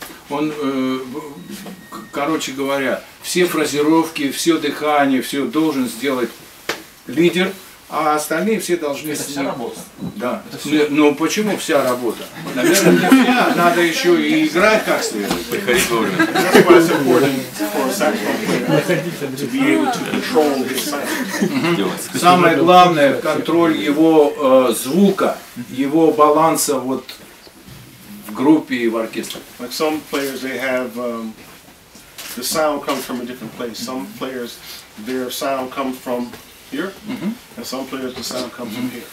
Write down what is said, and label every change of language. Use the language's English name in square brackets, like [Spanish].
[Russian] Он, короче говоря, все фразировки, все дыхание, все должен сделать лидер, а остальные все должны... Это вся работа. Да. Ну почему вся работа? Наверное, для меня надо еще и играть как следует. Приходить вовремя. [English] That's why it's important for a saxophone player to be able to control his sound. [Russian] Самое главное – контроль его звука, его баланса, вот... в группе и в оркестре. [English] Like some players, they have the sound comes from a different place. Some players, their sound comes from here, and some players, the sound comes from here.